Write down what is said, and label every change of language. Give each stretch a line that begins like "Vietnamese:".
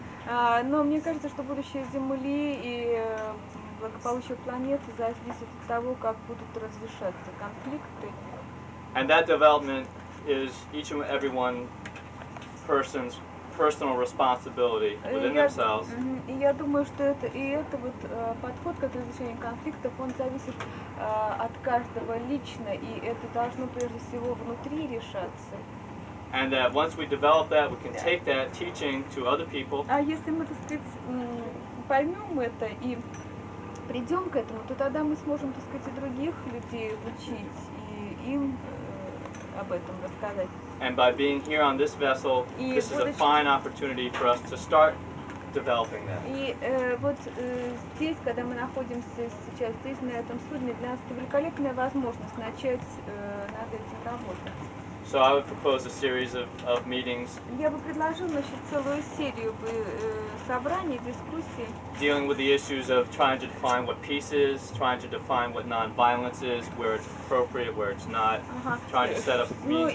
Russian: Мне кажется, что будущее Земли и благополучие планеты зависит от того, как будут разрешаться конфликты.
English: And that development is each and every one person's personal responsibility within themselves.
Russian: И я думаю, что это вот подход к разрешению конфликтов, он зависит от каждого лично, и это должно прежде всего внутри решаться.
English: And that once we develop that, we can take that teaching to other people.
Russian: А если мы, так сказать, поймем это и придем к этому, то тогда мы сможем, так сказать, и других людей учить и им об этом рассказать.
English: And by being here on this vessel, this is a fine opportunity for us to start developing that.
Russian: И вот здесь, когда мы находимся сейчас здесь, на этом судне, для нас это великолепная возможность начать над этим работать.
English: So I would propose a series of meetings.
Russian: Я бы предложил, значит, целую серию бы собраний, дискуссий.
English: Dealing with the issues of trying to define what peace is, trying to define what non-violence is, where it's appropriate, where it's not, trying to set up means.